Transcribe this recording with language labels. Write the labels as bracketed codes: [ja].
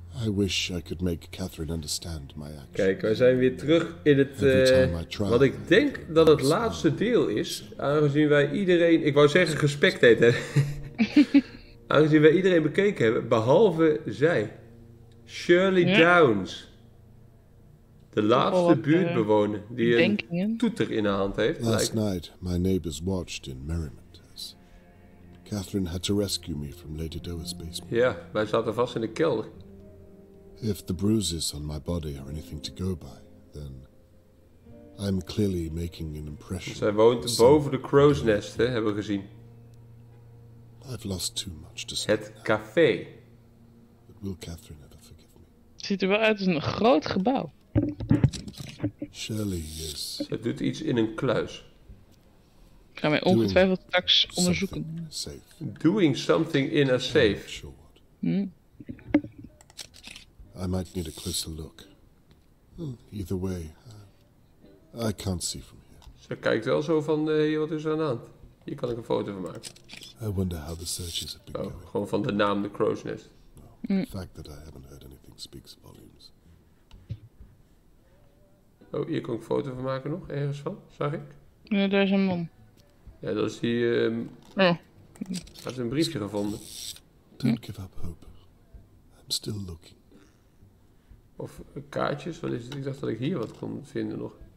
[en] I wish I could make Catherine understand my actions. [nl] Kijk, we zijn weer terug in het... wat ik denk dat het laatste deel is. Aangezien wij iedereen... Ik wou zeggen gespekt eten. Aangezien wij iedereen bekeken hebben. Behalve zij. Shirley Downs. De laatste buurtbewoner. Die een toeter in de hand heeft. [en] Last night, my neighbors watched in merriment. Catherine had to rescue me from Lady Doe's basement. [nl] Ja, wij zaten vast in de kelder. [en] If the bruises on my body are anything to go by, then I'm clearly making an impression. [nl] Zij woont boven de crow's nest, hè, hebben we gezien. [en] I've lost too much to [nl] het café. [en] But will Catherine ever forgive me? [nl] Ziet er wel uit als een groot gebouw. Shirley is... Het doet iets in een kluis. Ik ga mij ongetwijfeld straks onderzoeken. [en] Safe. Doing something in a safe. I'm not sure what. I might need a closer look. Either way, I can't see from here. [nl] Ze kijkt wel zo van, wat is er aan de hand? Hier kan ik een foto van maken. [en] I wonder how the searches have been going. [nl] Gewoon van de naam The Crow's Nest. [en] The fact that I haven't heard anything speaks volumes. [nl] Oh, hier kan ik een foto van maken nog, ergens van, zag ik? Ja, daar is een man. Ja, dat is die, had een briefje gevonden. [en] Don't give up hope. I'm still looking. [nl] Of kaartjes, wat is het? Ik dacht dat ik hier wat kon vinden nog.